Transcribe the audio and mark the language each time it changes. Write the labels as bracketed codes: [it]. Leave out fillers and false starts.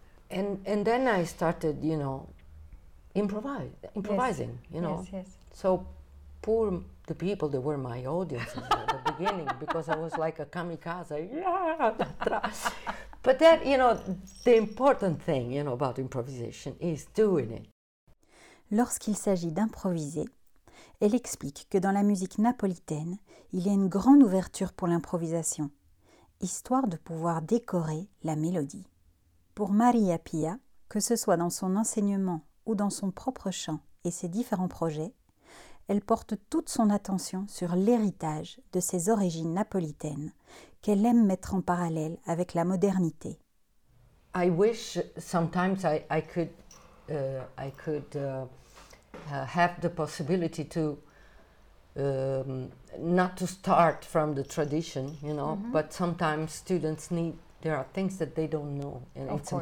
[en] And then I started, you know, improvising, yes. You know. Yes, yes. So poor the people that were my audience at the beginning, because I was like a kamikaze. Yeah. But that, you know, the important thing, you know, about improvisation is doing it. [fr] Lorsqu'il s'agit d'improviser, elle explique que dans la musique napolitaine, il y a une grande ouverture pour l'improvisation, histoire de pouvoir décorer la mélodie. Pour Maria Pia, que ce soit dans son enseignement ou dans son propre chant et ses différents projets, elle porte toute son attention sur l'héritage de ses origines napolitaines qu'elle aime mettre en parallèle avec la modernité. [en] I wish sometimes I could have the possibility to not to start from the tradition, you know, mm-hmm. but sometimes students need, there are things that they don't know, and of it's course.